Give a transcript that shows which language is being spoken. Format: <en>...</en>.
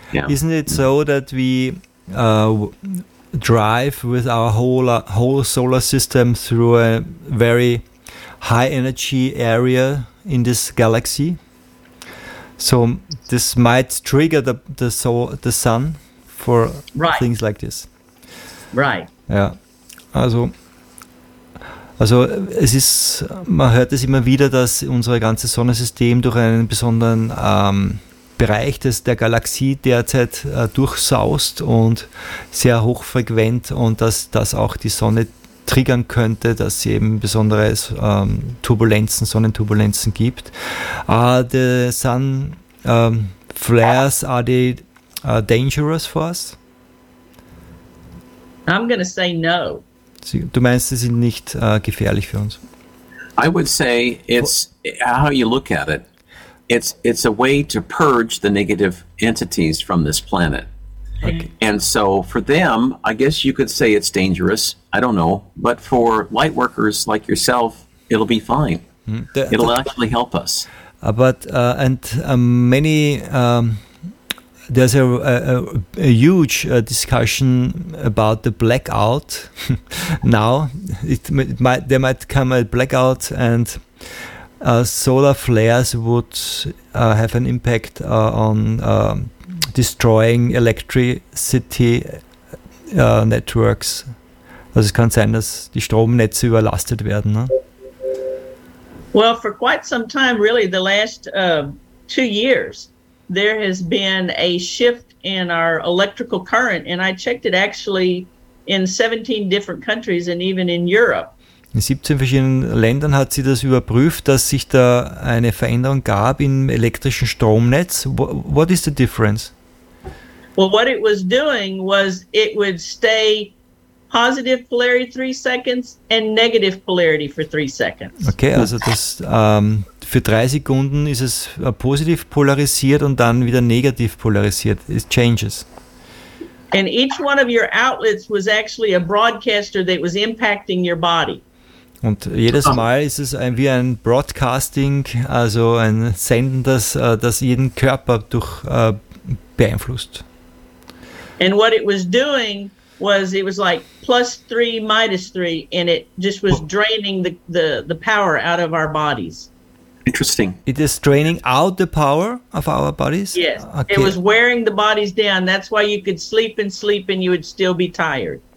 <en>Isn't it so that we drive with our whole solar system through a very high energy area in this galaxy? So this might trigger the sun for things like this. Right. Yeah.</en> <de>Also es ist, man hört es immer wieder, dass unser ganzes Sonnensystem durch einen besonderen Bereich der Galaxie derzeit durchsaust und sehr hochfrequent, und dass das auch die Sonne triggern könnte, dass sie eben besondere Turbulenzen, Sonnenturbulenzen gibt.</de> <en>The sun flares, are they dangerous for us? I'm going to say no.</en> <de>Du meinst, sie sind nicht gefährlich für uns?</de> <en>I would say it's how you look at it. It's a way to purge the negative entities from this planet. Okay. And so for them, I guess you could say it's dangerous. I don't know. But for light workers like yourself, it'll be fine. It'll actually help us. There's a huge discussion about the blackout now. There might come a blackout, and solar flares would have an impact on destroying electricity networks.</en> <de>Also es kann sein, dass die Stromnetze überlastet werden. Ne?</de> <en>Well, for quite some time, really, the last 2 years, there has been a shift in our electrical current, and I checked it actually in 17 different countries and even in Europe.</en> <de>In 17 verschiedenen Ländern hat sie das überprüft, dass sich da eine Veränderung gab im elektrischen Stromnetz.</de> <en>What is the difference? Well, what it was doing was it would stay positive polarity 3 seconds and negative polarity for 3 seconds.</en> <de>Okay, also das für 3 Sekunden ist es positiv polarisiert und dann wieder negativ polarisiert.</de> <en>It changes. And each one of your outlets was actually a broadcaster that was impacting your body.</en> <de>Und jedes Mal ist es wie ein Broadcasting, also ein Senden, das jeden Körper durch beeinflusst.</de> <en>And what it was doing was it was like +3, -3, and it just was draining the power out of our bodies. Interesting. It is draining out the power of our bodies? Yes. Okay. It was wearing the bodies down. That's why you could sleep and sleep and you would still be tired.</en>